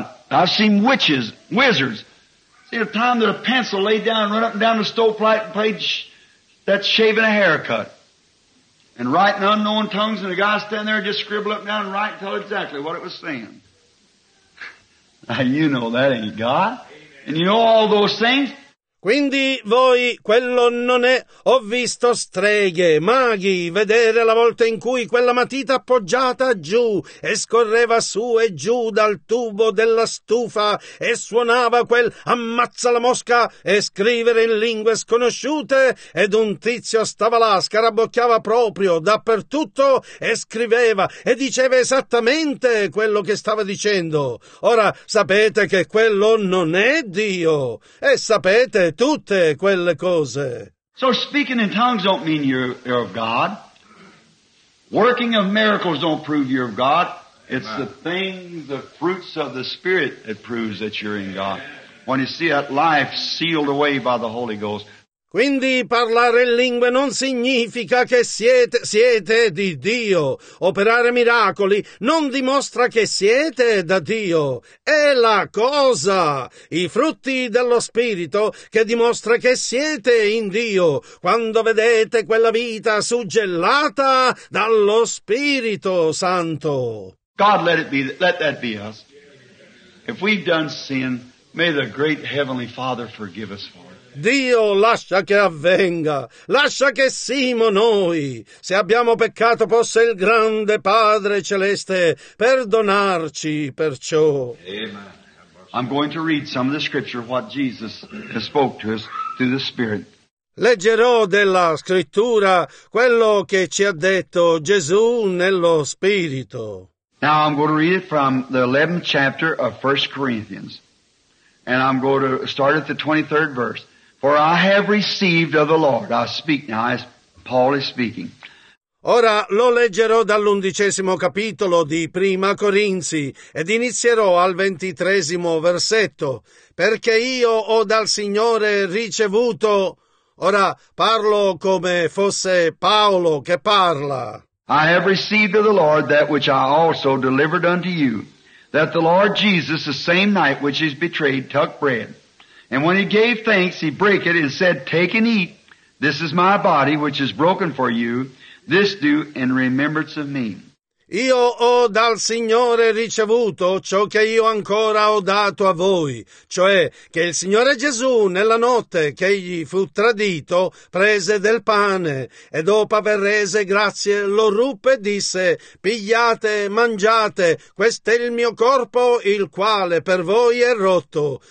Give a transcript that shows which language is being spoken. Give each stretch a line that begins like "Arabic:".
English: I've seen witches, wizards. See, the time that a pencil laid down, run up and down the stovepipe and played that shaving a haircut. And write in unknown tongues, and the guy standing there just scribble up and down and write and tell exactly what it was saying. Now, you know that ain't God. And you know all those things.
Italian: Quindi voi quello non è, ho visto streghe, maghi, vedere la volta in cui quella matita appoggiata giù e scorreva su e giù dal tubo della stufa e suonava quel ammazza la mosca e scrivere in lingue sconosciute ed un tizio stava là, scarabocchiava proprio dappertutto e scriveva e diceva esattamente quello che stava dicendo. Ora sapete che quello non è Dio e sapete tutte quelle cose.
English: So speaking in tongues don't mean you're of God. Working of miracles don't prove you're of God. It's Amen. The things, the fruits of the Spirit that proves that you're in God. When you see that life sealed away by the Holy Ghost.
Italian: Quindi parlare in lingue non significa che siete di Dio. Operare miracoli non dimostra che siete da Dio. È la cosa, i frutti dello Spirito, che dimostra che siete in Dio, quando vedete quella vita suggellata dallo Spirito Santo.
English: God, let that be us. If we've done sin, may the great Heavenly Father forgive us for it.
Italian: Dio, lascia che avvenga, lascia che siamo noi. Se abbiamo peccato, possa il grande Padre Celeste perdonarci per ciò.
English: I'm going to read some of the scripture, what Jesus spoke to us through the Spirit.
Italian: Leggerò della scrittura quello che ci ha detto Gesù nello Spirito.
English: Now I'm going to read it from the 11th chapter of 1 Corinthians. And I'm going to start at the 23rd verse. For I have received of the Lord. I speak now as Paul is speaking.
Italian: Ora lo leggerò dall'undicesimo capitolo di Prima Corinzi ed inizierò al ventitresimo versetto. Perché io ho dal Signore ricevuto. Ora parlo come fosse Paolo che parla.
English: I have received of the Lord that which I also delivered unto you, that the Lord Jesus, the same night which he was betrayed, took bread. And when he gave thanks, he brake it and said, Take and eat. This is my body, which is broken for you. This do in remembrance of me.
Italian: Io ho dal Signore ricevuto ciò che io ancora ho dato a voi, cioè che il Signore Gesù, nella notte che egli fu tradito, prese del pane e dopo aver rese grazie lo ruppe e disse, Pigliate, mangiate, questo è il mio corpo, il quale per voi è rotto.